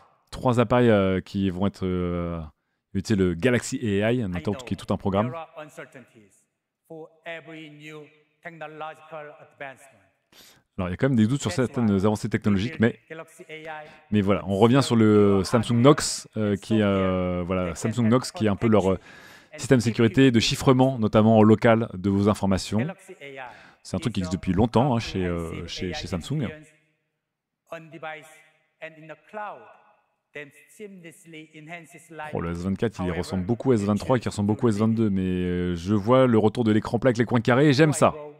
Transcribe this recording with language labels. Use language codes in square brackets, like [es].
[fr] Trois appareils qui vont être utilisés, le Galaxy AI, notamment, qui est tout un programme. [en] There are uncertainties for every new technological advancement. [fr] Alors, il y a quand même des doutes sur certaines avancées technologiques, mais voilà, on revient sur le Samsung Knox, qui est un peu leur système de sécurité de chiffrement, notamment au local, de vos informations. C'est un truc qui existe depuis longtemps chez Samsung. Oh, le S24, il ressemble beaucoup au S23, qui ressemble beaucoup au S22, mais je vois le retour de l'écran plat avec les coins carrés, et j'aime ça.